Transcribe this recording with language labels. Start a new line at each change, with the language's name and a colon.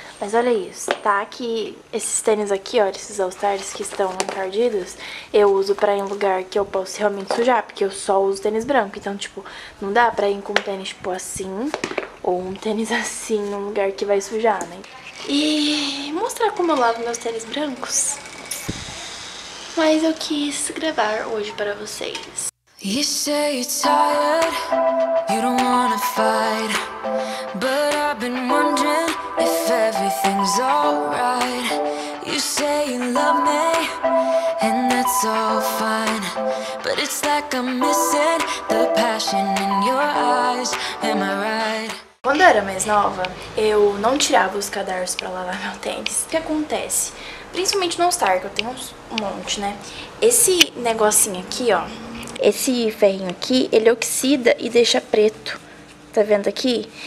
Portuguese: Mas olha isso, tá? Que esses tênis aqui, ó, esses All Stars que estão encardidos, eu uso pra ir em lugar que eu posso realmente sujar, porque eu só uso tênis branco. Então, tipo, não dá pra ir com um tênis, tipo, assim, ou um tênis assim, num lugar que vai sujar, né? E mostrar como eu lavo meus tênis brancos. Mas eu quis gravar hoje para vocês.
English: You say you're tired, you don't wanna fight, but I've been wondering if everything's alright. You say you love me, and that's all fine, but it's like I'm missing the passion in your eyes. Am I right?
Portuguese: Quando eu era mais nova, eu não tirava os cadarços para lavar meu tênis. O que acontece? Principalmente no All-Star, que eu tenho um monte, né? Esse negocinho aqui, ó, esse ferrinho aqui, ele oxida e deixa preto. Tá vendo aqui?